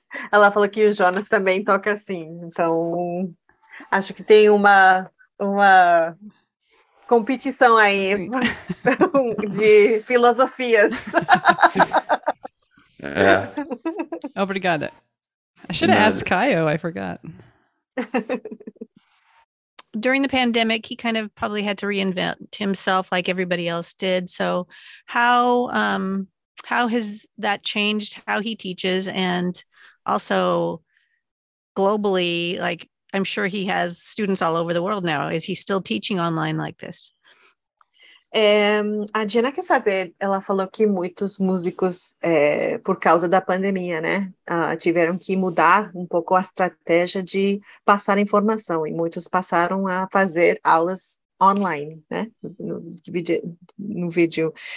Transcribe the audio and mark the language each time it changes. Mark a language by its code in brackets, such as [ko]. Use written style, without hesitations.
[pt] Ela falou que o Jonas também toca assim. Então, acho que tem uma competição aí de filosofias. Yeah. Obrigada. [en] I should have asked Caio, I forgot. During the pandemic, he kind of probably had to reinvent himself like everybody else did. So how has that changed how he teaches? And also globally, like, I'm sure he has students all over the world now. Is he still teaching online like this? [pt] A Jenna quer saber, ela falou que muitos músicos, por causa da pandemia, né, tiveram que mudar um pouco a estratégia de passar informação, e muitos passaram a fazer aulas online, né, no vídeo.